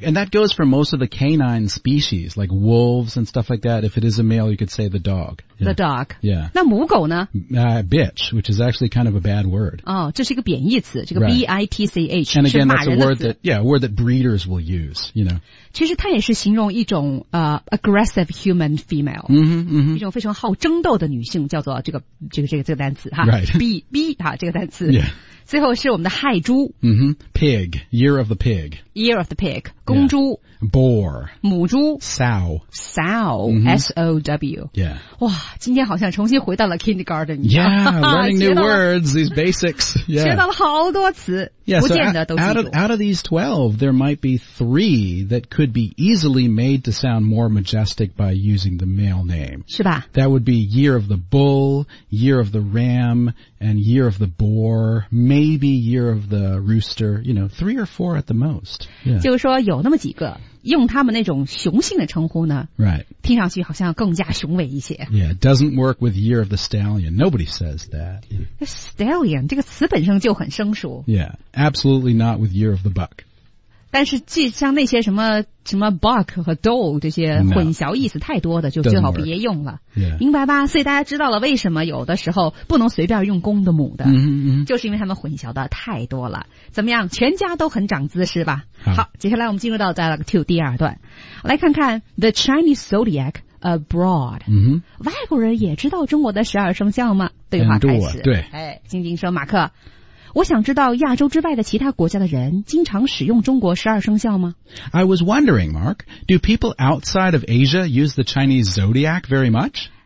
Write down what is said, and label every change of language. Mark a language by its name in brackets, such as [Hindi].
[English] And that goes for most of the canine species, like wolves and stuff like that. If it is a male, you could say the dog. Yeah. The dog. Yeah. [Chinese] 那母狗呢？ [English] Bitch, which is actually kind of a bad word. [Chinese] 哦，这是一个贬义词，这个 B-I-T-C-H, 是骂人的词。 [English] And again, that's a word that breeders will use, you know. [Chinese] 其实它也是形容一种 [English] aggressive human female. [Chinese] 嗯嗯，一种非常好争斗的女性叫做这个单词哈。 [English] Right. [Chinese] B, 哈，这个单词。 [English] Yeah. [Chinese] 最后是我们的亥猪。 [English] Mm-hmm. Pig, year of the pig. Year of the pig, [Chinese] 公猪。 [English] Yeah. Boar, [Chinese] 母猪。 [English] Sow. Sow,、mm-hmm. S-O-W. Yeah. [Chinese] 哇，今天好像重新回到了 kindergarten. [English] Yeah, learning new words, these basics. Yeah. [Chinese] 学到了好多词。 [English] Yeah, [Chinese] 不见得都记住。 [English] Out of these 12, there might be 3 that could be easily made to sound more majestic by using the male name. [Chinese] 是吧？ [English] That would be year of the bull, year of the ram, and year of the boar, maybe year of the rooster, you know, 3 or 4 at the most.、Yeah. [Chinese] 就是说有那么几个用他们那种雄性的称呼呢、 [English] right. [Chinese] 听上去好像更加雄伟一些。 [English] Yeah, it doesn't work with year of the stallion. Nobody says that. [Chinese] Stallion, 这个词本身就很生疏。 [English] Yeah, absolutely not with year of the buck. [Chinese] 但是即像那些什么 buck 和 doe 这些混淆意思太多的、 [English] no. [Chinese] 就最好别用了。 [English] Yeah. [Chinese] 明白吧？所以大家知道了为什么有的时候不能随便用公的母的、 mm-hmm. 就是因为他们混淆的太多了。怎么样？全家都很长姿势吧？好，接下来我们进入到 Dialogue 2第二段，来看看 [English] The Chinese Zodiac Abroad、 mm-hmm. [Chinese] 外国人也知道中国的十二生肖吗？对话开始。 Endure, 对、哎、静静说，马克，我想知道亚洲之外的其他国家的人经常使用中国十二生肖吗？ [English] I was wondering, Mark, do people outside of Asia use the Chinese zodiac very much?